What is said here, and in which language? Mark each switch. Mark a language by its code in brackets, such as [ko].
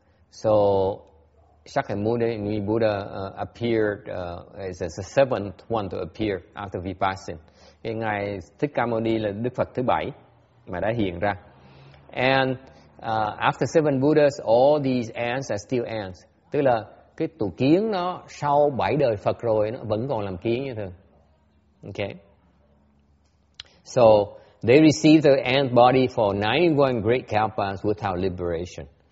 [en] So Shakyamuni Buddha appeared as the seventh one to appear after Vipassana. [vi] Ngài Thích Ca Mâu Ni là Đức Phật thứ bảy mà đã hiện ra. [en] And after seven Buddhas, all these ants are still ants. [vi] Tức là cái tổ kiến nó sau bảy đời Phật rồi nó vẫn còn làm kiến như thường. Okay. [en] So they received the ant body for 91 great kalpas without liberation.